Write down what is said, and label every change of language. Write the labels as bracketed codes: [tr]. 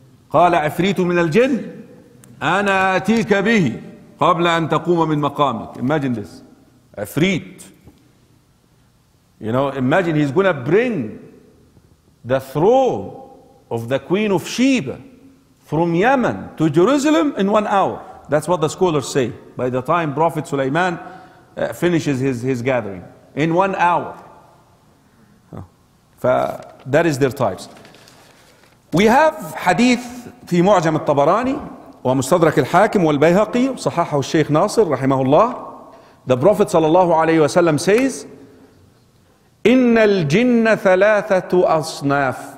[ar] قال عفريت من الجن أنا آتيك به قبل أن تقوم من مقامك. [en] Imagine this. Ifrit. You know, imagine he's going to bring the throne of the queen of Sheba from Yemen to Jerusalem in 1 hour. That's what the scholars say. By the time Prophet Sulaiman finishes his gathering, in 1 hour. That is their types. We have hadith [ar] في معجم الطبراني ومستدرك الحاكم والبيهقي صححه الشيخ ناصر رحمه الله. [en] The Prophet [ar] صلى الله عليه وسلم [en] says, [ar] إن الجن ثلاثة أصناف.